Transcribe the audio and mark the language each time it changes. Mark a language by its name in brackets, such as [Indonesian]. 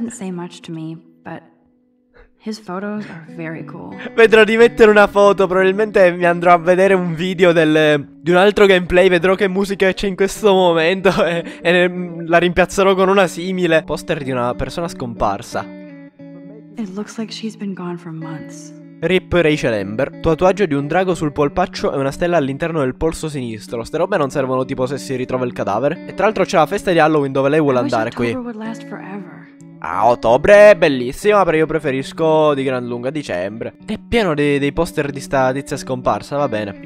[English] Doesn't say much to me, but his photos are very cool. [Italian] Vedrò di mettere una foto, probabilmente mi andrò a vedere un video di un altro gameplay, vedrò che musica c'è in questo momento e la rimpiazzerò con una simile. Poster di una persona scomparsa. [English] It looks like she's been gone for months. Rip Rachel Amber. [Italian] Tatuaggio di un drago sul polpaccio e una stella all'interno del polso sinistro. Ste robe non servono tipo se si ritrova il cadavere. E tra l'altro c'è la festa di Halloween dove lei vuole andare qui. Ah, ottobre è bellissima, però io preferisco di gran lunga dicembre. È pieno dei poster di sta tizia scomparsa, va bene.